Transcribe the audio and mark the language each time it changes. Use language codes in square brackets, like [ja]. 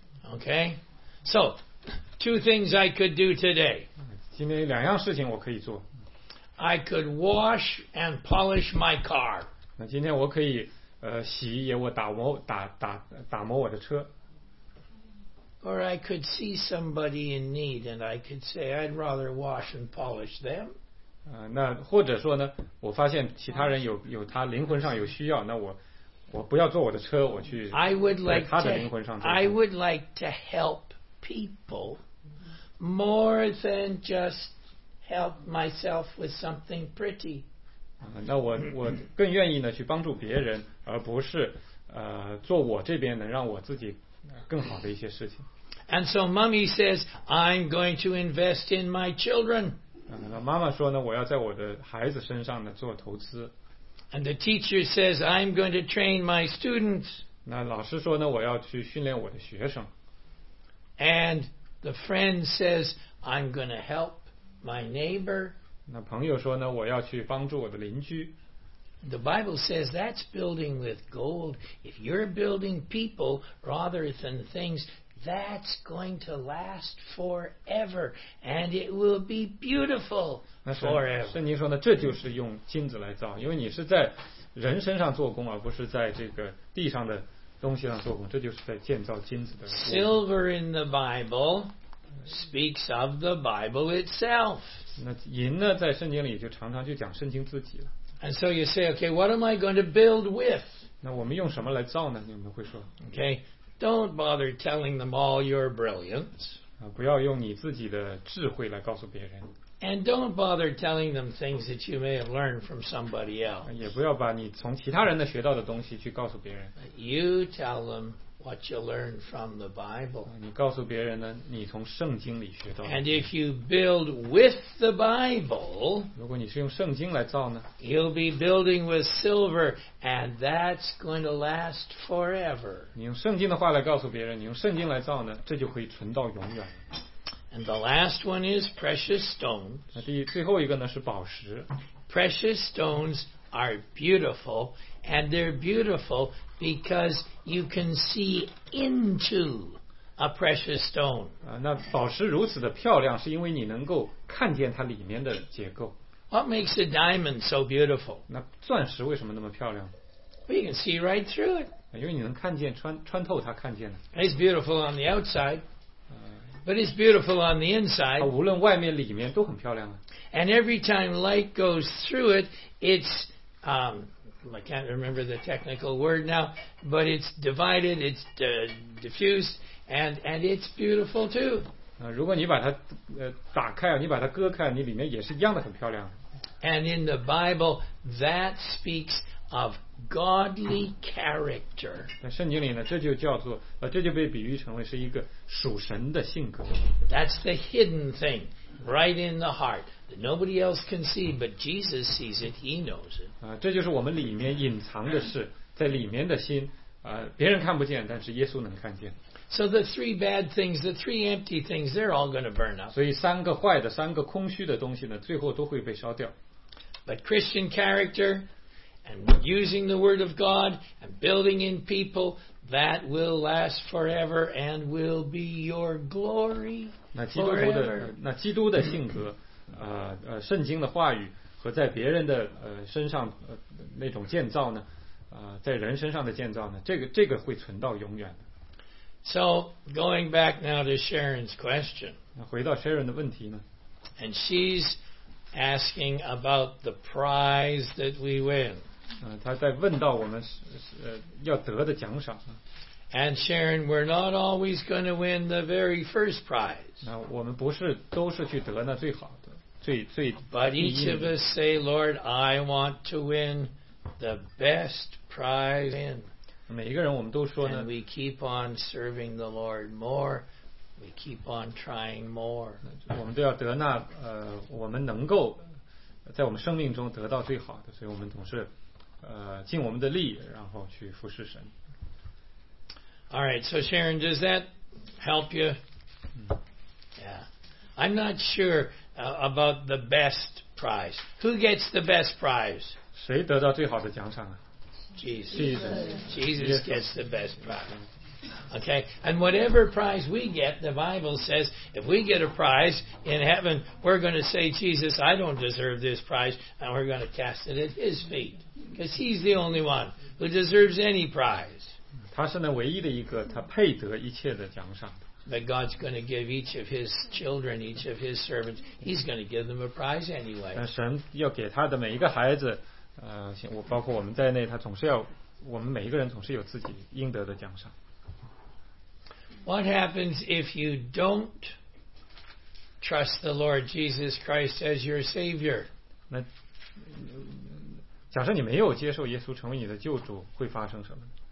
[en] Okay, so two things I could do today. [zh] 今天有两样事情我可以做。 [en] I could wash and polish my car. [zh] 那今天我可以洗也我打磨我的车。 [en] Or I could see somebody in need and I could say I'd rather wash and polish them. [zh] 那或者说呢，我发现其他人有他灵魂上有需要，那我不要坐我的车，我去在他的灵魂上坐。 [en] I would like to help people more than just help myself with something pretty. [zh] 那我更愿意呢去帮助别人，而不是做我这边能让我自己更好的一些事情。 [en] And so mommy says, I'm going to invest in my children. [zh] 妈妈说呢，我要在我的孩子身上呢做投资。 [en] And the teacher says, I'm going to train my students. [zh] 那老师说呢，我要去训练我的学生。 [en] And the friend says, I'm going to help my neighbor. [zh] 那朋友说呢，我要去帮助我的邻居。 [en] The Bible says that's building with gold. If you're building people rather than things, that's going to last forever, and it will be beautiful forever. [zh] 圣经说呢，这就是用金子来造，因为你是在人身上做工，而不是在这个地上的东西上做工，这就是在建造金子的。 [en] Silver in the Bible speaks of the Bible itself. [zh] 那银呢，在圣经里就常常就讲圣经自己了。 [en] And so you say, okay, what am I going to build with? [zh] 那我们用什么来造呢？你们会说。 [en] Okay, don't bother telling them all your brilliance. [zh] 不要用你自己的智慧来告诉别人。 [en] And don't bother telling them things that you may have learned from somebody else. [zh] 也不要把你从其他人的学到的东西去告诉别人。 [en] You tell them what you learned from the Bible. [zh] 你告诉别人呢，你从圣经里学到的。 [en] And if you build with the Bible, [zh] 如果你是用圣经来造呢， [en] you'll be building with silver, and that's going to last forever. [zh] 你用圣经的话来告诉别人，你用圣经来造呢，这就可以存到永远。 [en] And the last one is precious stones. [zh] 那最后一个呢，是宝石。 [en] Precious stones are beautiful, and they're beautiful because you can see into a precious stone. [zh] 那宝石如此的漂亮，是因为你能够看见它里面的结构。 [en] What makes a diamond so beautiful? [zh] 那钻石为什么那么漂亮？ [en] You can see right through it. [zh] 因为你能看见，穿透它，看见了。 [en] It's beautiful on the outside, but it's beautiful on the inside. [zh] 无论外面里面都很漂亮啊。 [en] And every time light goes through it, I can't remember the technical word now, but it's divided, it's diffused, and it's beautiful too. [zh] 如果你把它打开，你把它割开，你里面也是一样的很漂亮。 [en] And in the Bible, that speaks of godly character. [zh] 在圣经里呢，这就叫做这就被比喻成为是一个属神的性格。 [en] That's the hidden thing, right in the heart. Nobody else can see, but Jesus sees it. He knows it. [zh] 这就是我们里面隐藏的事，在里面的心，别人看不见，但是耶稣能看见。 [en] So the three bad things, the three empty things, they're all going to burn up. [zh] 所以三个坏的，三个空虚的东西呢，最后都会被烧掉。 [en] But Christian character and using the Word of God and building in people that will last forever and will be your glory forever. [zh] 那基督的性格。圣经的话语和在别人的身上那种建造呢，在人身上的建造呢，这个会存到永远的。 [en] So going back now to Sharon's question. [zh] 回到 Sharon 的问题呢。 [en] And she's asking about the prize that we win. [zh] 她在问到我们要得的奖赏。 [en] And Sharon, we're not always going to win the very first prize. [zh] 那我们不是都是去得那最好。 [en] But each of us say, Lord, I want to win the best prize in. [zh] 每一个人我们都说呢。 [en] And we keep on serving the Lord more. We keep on trying more. [zh] 我们都要得那我们能够在我们生命中得到最好的，所以我们总是尽我们的力，然后去服侍神。 [en] All right, so Sharon, does that help you? Yeah. I'm not sure. About the best prize. Who gets the best prize? [zh] 谁得到最好的奖赏啊？ [en] Jesus gets the best prize. Okay, and whatever prize we get, the Bible says, if we get a prize in heaven, we're going to say, Jesus, I don't deserve this prize, and we're going to cast it at His feet. Because He's the only one who deserves any prize. [zh] 他是那唯一的一个，他配得一切的奖赏。 [en] That God's going to give each of His children, each of His servants, He's going to give them a prize anyway. [zh] 神要给他的每一个孩子，包括我们在内，他总是要我们每一个人总是有自己应得的奖赏。 [en] What happens if you don't trust the Lord Jesus Christ as your Savior? [zh] 那假设你没有接受耶稣成为你的救主，会发生什么？